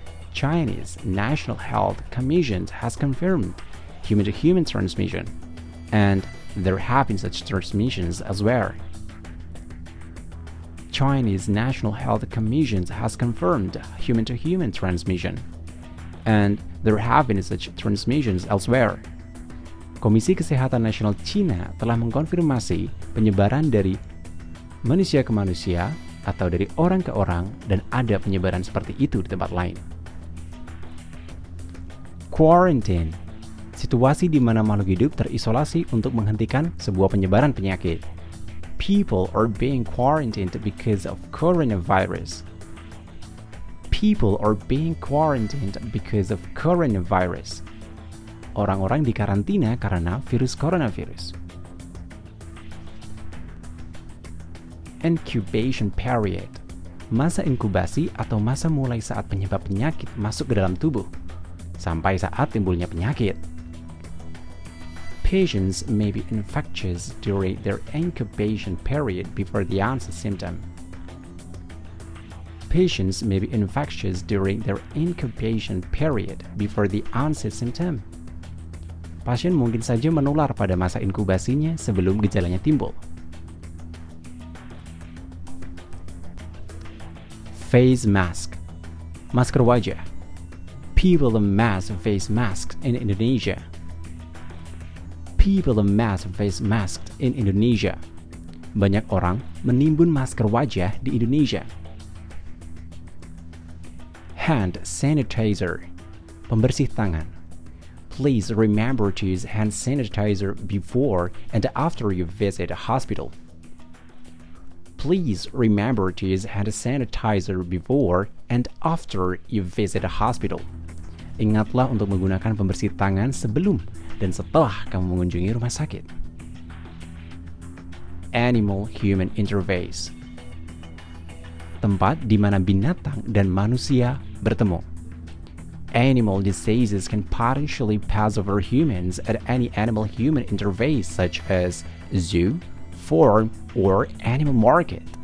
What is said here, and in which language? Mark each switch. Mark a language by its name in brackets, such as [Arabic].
[English] Chinese National Health Commission has confirmed human-to-human transmission, and there have been such transmissions as well. Chinese National Health Commission has confirmed human-to-human transmission, and there have been such transmissions elsewhere. [Indonesian] Komisi Kesehatan Nasional Cina telah mengkonfirmasi penyebaran dari manusia ke manusia atau dari orang ke orang dan ada penyebaran seperti itu di tempat lain. [English] Quarantine. [Indonesian] Situasi di mana makhluk hidup terisolasi untuk menghentikan sebuah penyebaran penyakit. [English] People are being quarantined because of coronavirus. People are being quarantined because of coronavirus. [Indonesian] Orang-orang dikarantina karena virus coronavirus. [English] Incubation period. [Indonesian] Masa inkubasi atau masa mulai saat penyebab penyakit masuk ke dalam tubuh sampai saat timbulnya penyakit. [English] Patients may be infectious during their incubation period before the onset symptom. Patients may be infectious during their incubation period before the onset symptom. [Indonesian] Pasien mungkin saja menular pada masa inkubasinya sebelum gejalanya timbul. [English] Face mask. [Indonesian] Masker wajah. [English] People amass face masks in Indonesia. People amass face masks in Indonesia. [Indonesian] Banyak orang menimbun masker wajah di Indonesia. [English] Hand sanitizer. [Indonesian] Pembersih tangan. [English] Please remember to use hand sanitizer before and after you visit a hospital. Please remember to use hand sanitizer before and after you visit a hospital. [Indonesian] Ingatlah untuk menggunakan pembersih tangan sebelum dan setelah kamu mengunjungi rumah sakit. [English] Animal-human interface. [Indonesian] Tempat di mana binatang dan manusia bertemu. [English] Animal diseases can potentially pass over humans at any animal-human interface such as zoo, farm, or animal market.